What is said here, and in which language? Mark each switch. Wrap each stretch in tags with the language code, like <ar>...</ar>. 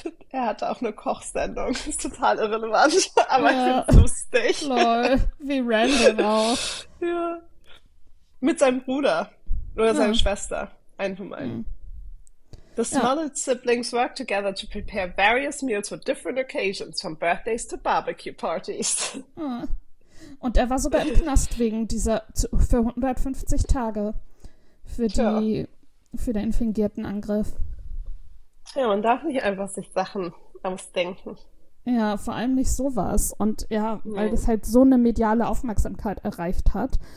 <de>er hatte auch eine Kochsendung. Das ist total irrelevant, aber ja. Ich finde es lustig. Lol, wie random auch. Ja. Mit seinem Bruder oder seiner Schwester.</de> <en>The Smollett siblings work together to prepare various meals for different occasions, from birthdays to barbecue parties.</en> <de>Und er war sogar im Knast wegen dieser für 150 Tage für den fingierten Angriff. Ja, man darf nicht einfach sich Sachen ausdenken. Ja, vor allem nicht sowas. Und ja, weil das halt so eine mediale Aufmerksamkeit erreicht hat.</de>